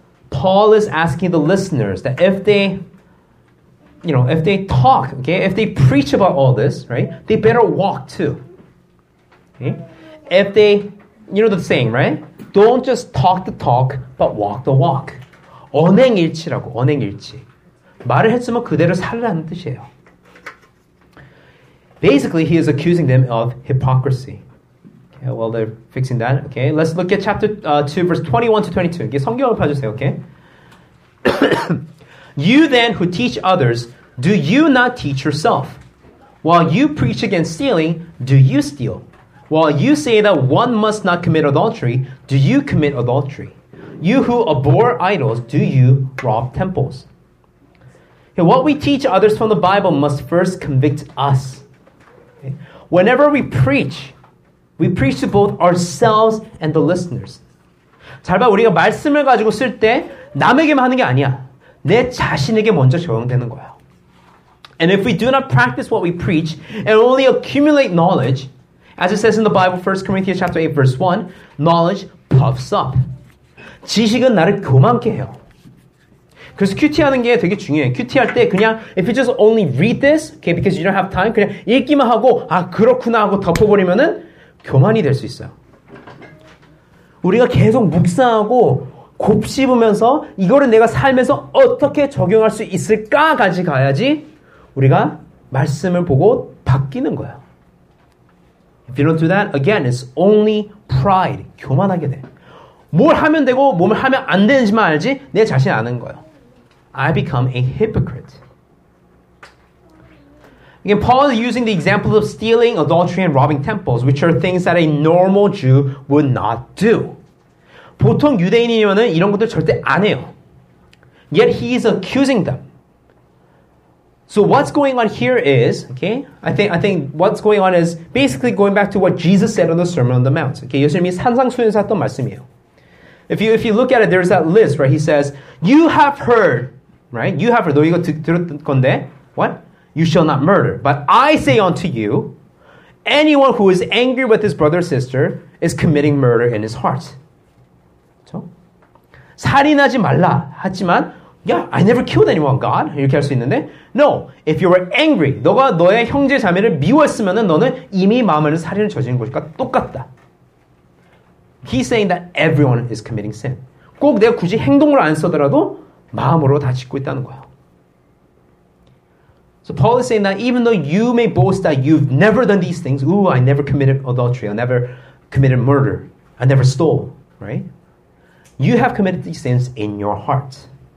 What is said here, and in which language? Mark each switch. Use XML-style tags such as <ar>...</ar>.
<en>Paul is asking the listeners that if they, you know, if they talk, okay, if they preach about all this, right, they better walk too. Okay? If they, you know the saying, right? Don't just talk the talk, but walk the walk.</en> <ko>언행일치라고, 언행일치. 말을 했으면 그대로 살라는 뜻이에요.</ko> <en>Basically, he is accusing them of hypocrisy. Yeah, well, they're fixing that. Okay, let's look at chapter 2, verse 21 to 22. Okay,</en> <ko>성경을 봐주세요,</ko> <en>okay? You then who teach others, do you not teach yourself? While you preach against stealing, do you steal? While you say that one must not commit adultery, do you commit adultery? You who abhor idols, do you rob temples? Okay, what we teach others from the Bible must first convict us. Okay? Whenever we preach, we preach to both ourselves and the listeners.</en> <ko>잘 봐, 우리가 말씀을 가지고 쓸 때 남에게만 하는 게 아니야. 내 자신에게 먼저 적용되는 거야.</ko> <en>And if we do not practice what we preach and only accumulate knowledge, as it says in the Bible, 1 Corinthians chapter 8, verse 1, knowledge puffs up.</en> <ko>지식은 나를 교만케 해요. 그래서 QT 하는 게 되게 중요해. QT 할 때 그냥</ko> <en>if you just only read this, okay, because you don't have time,</en> <ko>그냥 읽기만 하고 아 그렇구나 하고 덮어버리면은 교만이 될 수 있어요. 우리가 계속 묵상하고 곱씹으면서 이거를 내가 삶에서 어떻게 적용할 수 있을까까지 가야지 우리가 말씀을 보고 바뀌는 거야.</ko> <en>If you don't do that, again, it's only pride.</en> <ko>교만하게 돼. 뭘 하면 되고 뭘 하면 안 되는지만 알지 내 자신 아는 거야.</ko> <en>I become a hypocrite. Again, Paul is using the example of stealing, adultery, and robbing temples, which are things that a normal Jew would not do.</en> <ko>보통 유대인이면은 이런 것들 절대 안 해요.</ko> <en>Yet he is accusing them. So what's going on here is, okay, I think what's going on is basically going back to what Jesus said on the Sermon on the Mount.</en> <ko>Okay, 예수님이 산상수훈에서 했던 말씀이에요.</ko> <en>If you look at it, there's that list, right? He says, you have heard, right? You have heard,</en> <ko>너 이거 들었던 건데,</ko> <en>what? You shall not murder. But I say unto you, anyone who is angry with his brother or sister is committing murder in his heart.</en> <ko>그쵸? 살인하지 말라, 하지만,</ko> <en>yeah, I never killed anyone, God.</en> <ko>이렇게 할 수 있는데.</ko> <en>No, if you were angry,</en> <ko>너가 너의 형제, 자매를 미웠으면 너는 이미 마음을 살인을 저지른 것과 똑같다.</ko> <en>He's saying that everyone is committing sin.</en> <ko>꼭 내가 굳이 행동을 안 써더라도 마음으로 다 짓고 있다는 거야.</ko> <en>So Paul is saying that even though you may boast that you've never done these things, ooh, I never committed adultery, I never committed murder, I never stole, right? You have committed these sins in your heart.</en>